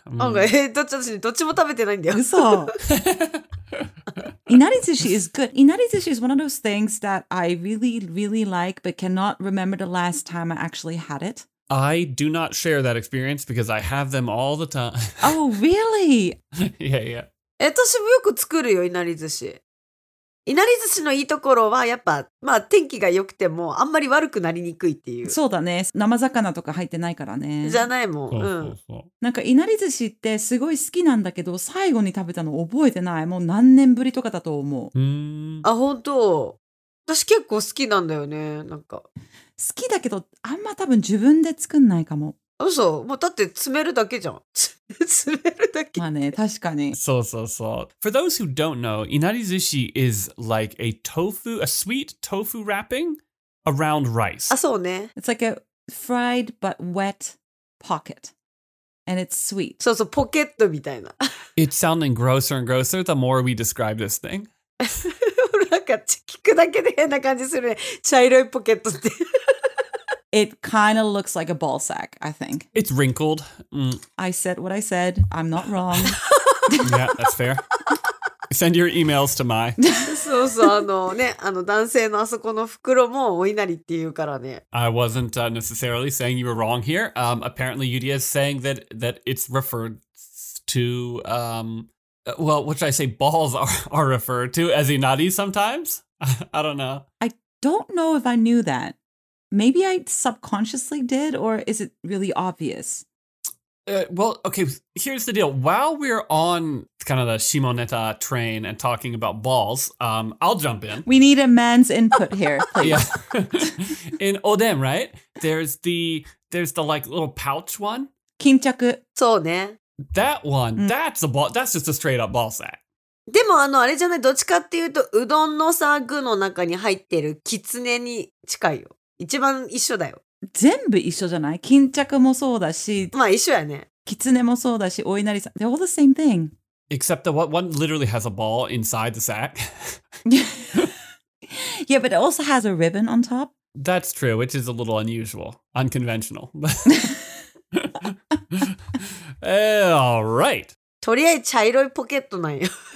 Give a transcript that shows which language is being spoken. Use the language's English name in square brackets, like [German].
[Japanese] Okay, どっちも食べてないんだよ。 [English] そう。Inari sushi is good. Inari sushi is one of those things that I really, really like, but cannot remember the last time I actually had it. I do not share that experience because I have them all the time. Oh, really? Yeah. [Japanese] 私もよく作るよ、いなり寿司。いなり寿司のいいところはやっぱ、まあ天気が良くてもあんまり悪くなりにくいっていう。そうだね。生魚とか入ってないからね。じゃないもん。そうそうそう。うん。なんかいなり寿司ってすごい好きなんだけど、最後に食べたの覚えてない。もう何年ぶりとかだと思う。あ、本当。私結構好きなんだよね。なんか。好きだけど、あんま多分自分で作んないかも。そう、もうだって詰めるだけじゃん。詰めるだけ。まあね、確かに。そうそうそう。 [English] For those who don't know, inari sushi is like a tofu, a sweet tofu wrapping around rice. [Japanese] あ、そうね。 [English] It's like a fried but wet pocket. And it's sweet. [Japanese] そうそう、ポケットみたいな。 [English] It's sounding grosser and grosser the more we describe this thing. [Japanese] なんか聞くだけで変な感じするね。茶色いポケットって。 [English] It kind of looks like a ball sack, I think. It's wrinkled. I said what I said. I'm not wrong. Yeah, that's fair. Send your emails to Mai. [Japanese] そうそう、あの男性のあそこの袋もお稲荷っていうからね。 [English] I wasn't necessarily saying you were wrong here. Apparently, Yuria is saying that it's referred to, well, what should I say? Balls are referred to as inari sometimes? I don't know. I don't know if I knew that. Maybe I subconsciously did, or is it really obvious? Well, okay, here's the deal. While we're on kind of the Shimoneta train and talking about balls, I'll jump in. We need a man's input here, please. Yeah. In oden, right? There's the like little pouch one. Kinchaku. [Japanese] そうね。 [English] That one,、うん、that's a ball, that's just a straight up ball sack. [Japanese] でもあのあれじゃない、どっちかっていうとうどんのさ具の中に入ってるキツネに近いよ。一番一緒だよ。全部一緒じゃない？巾着もそうだし、まあ一緒やね。キツネもそうだし、お稲荷さん、 [English] they're all the same thing. Except that one literally has a ball inside the sack. Yeah, but it also has a ribbon on top. That's true, which is a little unusual, unconventional. all right. [Japanese] とりあえず茶色いポケットなんよ。